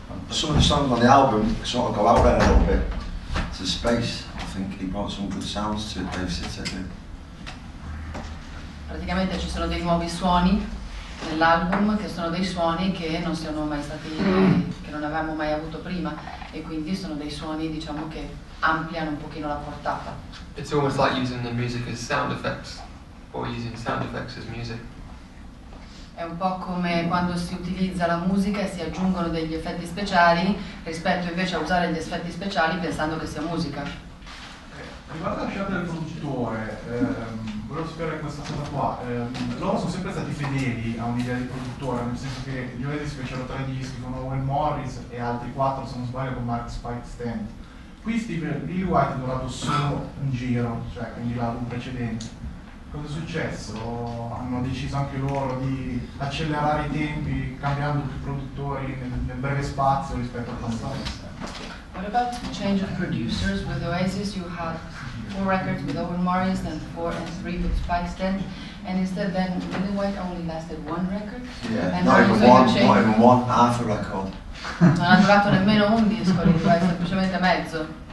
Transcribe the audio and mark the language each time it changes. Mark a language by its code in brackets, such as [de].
[en] Some of the songs on the album sort of go out there a little bit to space. I think he brought some good sounds to Dave City. [it] Praticamente ci sono dei nuovi suoni nell'album che sono dei suoni che non siano mai stati, che non avevamo mai avuto prima, e quindi sono dei suoni, diciamo, che ampliano un pochino la portata. [en] It's almost like using the music as sound effects, or using sound effects as music. [it] È un po' come quando si utilizza la musica e si aggiungono degli effetti speciali rispetto invece a usare gli effetti speciali pensando che sia musica. Riguardo alla scelta del produttore, volevo sapere questa cosa qua. Loro sono sempre stati fedeli a un'idea di produttore, nel senso che gli Oasis fecero tre dischi con Owen Morris e altri quattro, se non sbaglio, con Mark Spike Stent. Qui Steve Lee White è durato solo un giro, cioè quindi l'album precedente. Cosa è successo? Hanno deciso anche loro di accelerare i tempi cambiando più produttori nel breve spazio rispetto al passato. [en] What about the change of producers with Oasis? You had four records with Owen Morris, then four and three with Spike Stent, and instead then Lily White only lasted one record? Not even one half a record. [it] Non ha durato nemmeno un disco, li fai semplicemente mezzo.